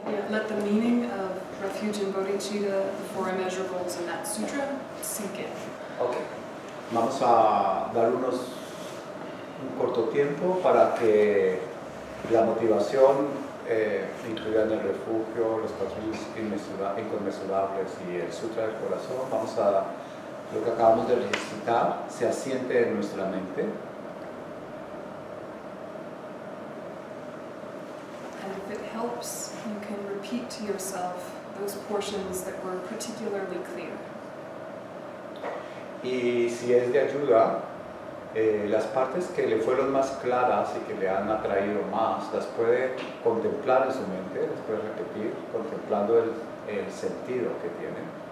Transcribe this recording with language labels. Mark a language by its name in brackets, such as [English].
[English] Let the meaning of refuge and bodhicitta, the four immeasurables in that sutra, sink in. Okay. [Spanish] Vamos a dar unos un corto tiempo para que la motivación, incluyendo el refugio, los patrones inconmensurables y el sutra del corazón, vamos a lo que acabamos de recitar, se asiente en nuestra mente. [English] And if it helps, you can repeat to yourself those portions that were particularly clear. [Spanish] Y si es de ayuda, las partes que le fueron más claras y que le han atraído más, las puede contemplar en su mente, las puede repetir, contemplando el sentido que tiene.